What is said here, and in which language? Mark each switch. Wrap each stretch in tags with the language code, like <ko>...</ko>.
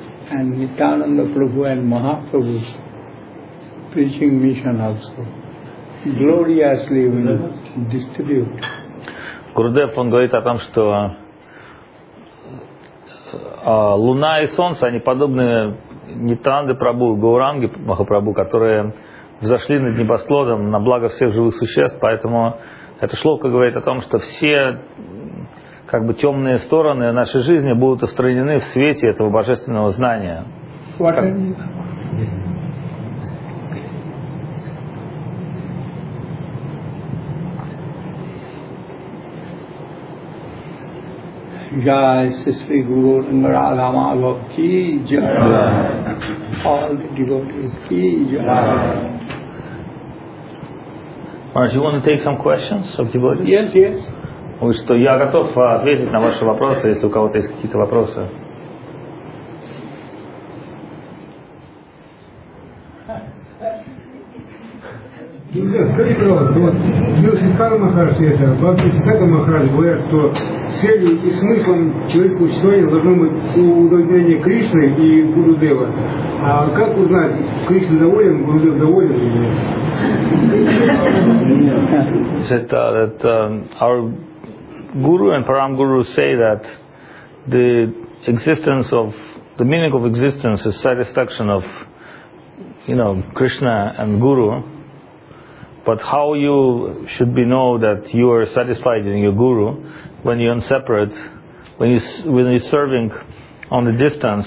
<en>and Nityananda Prabhu and Mahaprabhu preaching mission also gloriously will distribute.</en> <ru>Gurudev, он говорит о том, что луна и солнце, они подобны Нитранды Прабу, Гауранги Махапрабу, которые взошли над небосклоном на благо всех живых существ, поэтому эта шлока говорит о том, что все как бы темные стороны нашей жизни будут устранены в свете этого божественного знания.</ru> <en>Guys, Sri Guru Rangarada Madhav ki jai. All the devotees ki jai. Maharaj, you want to take some questions of devotees? Yes, yes.</en> <ru>Вы что, я готов ответить на ваши вопросы, если у кого-то есть какие-то вопросы. Скажи, пожалуйста, вот Сиддхартха Махарадж, это Бхакти Сиддхартха Махарадж говорят, что целью и смыслом человеческого существования должно быть удовлетворение Кришны и Гурудева. А как узнать, Кришна доволен, Гурудев доволен или нет? Это</ru> <en>our guru and Param Guru say that the existence of the meaning of existence is satisfaction of, you know, Krishna and Guru. But how you should be know that you are satisfied in your guru when you're in separate, when you're serving on the distance?</en>